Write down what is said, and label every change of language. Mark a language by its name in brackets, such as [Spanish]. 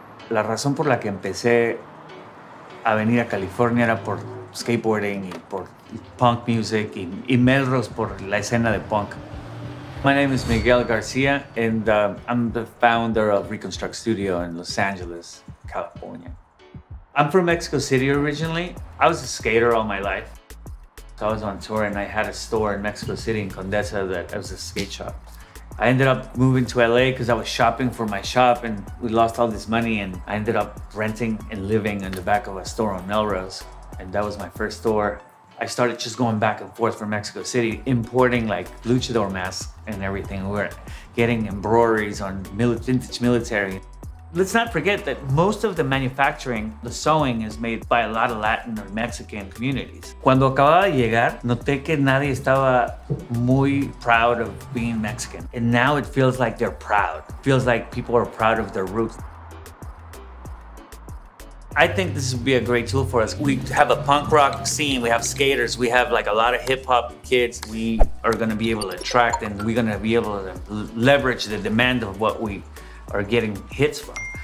[Spanish] la razón por la que empecé a venir a California era por skateboarding y por punk music y Melrose por la escena de punk. [English] My name is Miguel Garcia, and I'm the founder of Reconstruct Studio in Los Angeles, California. I'm from Mexico City originally. I was a skater all my life. So I was on tour and I had a store in Mexico City in Condesa that was a skate shop. I ended up moving to LA because I was shopping for my shop and we lost all this money and I ended up renting and living in the back of a store on Melrose. And that was my first store. I started just going back and forth from Mexico City, importing like luchador masks and everything. We were getting embroideries on vintage military. Let's not forget that most of the manufacturing, the sewing, is made by a lot of Latin or Mexican communities. [Spanish] Cuando acababa de llegar, noté que nadie estaba muy [English] proud of being Mexican. And now it feels like they're proud. It feels like people are proud of their roots. I think this would be a great tool for us. We have a punk rock scene, we have skaters, we have like a lot of hip hop kids. We are gonna be able to attract and we're gonna be able to leverage the demand of what we are getting hits from.